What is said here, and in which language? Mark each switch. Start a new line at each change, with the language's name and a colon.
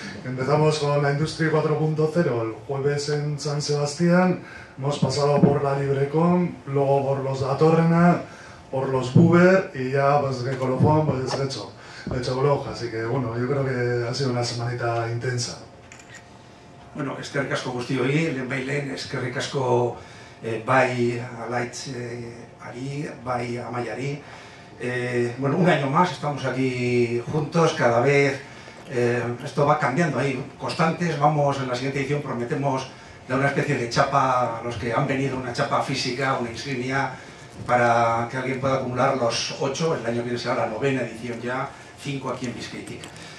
Spanish: Empezamos con la Industria 4.0 el jueves en San Sebastián, hemos pasado por la Librecom, luego por los de Atorrena, por los Buber y ya pues que colofón pues es hecho, hecho blog, así que bueno, yo creo que ha sido una semanita intensa.
Basque: Bueno, eskerrik asko guzti hori, lehen bai lehen, eskerrik asko bai Alaitzari, bai Amaiari.
Spanish: Bueno, un año más, estamos aquí juntos, cada vez esto va cambiando, hay constantes, vamos, en la siguiente edición prometemos dar una especie de chapa a los que han venido, una chapa física, una insignia, para que alguien pueda acumular los 8, el año que viene será la novena edición ya, 5 aquí en Bizkaitik.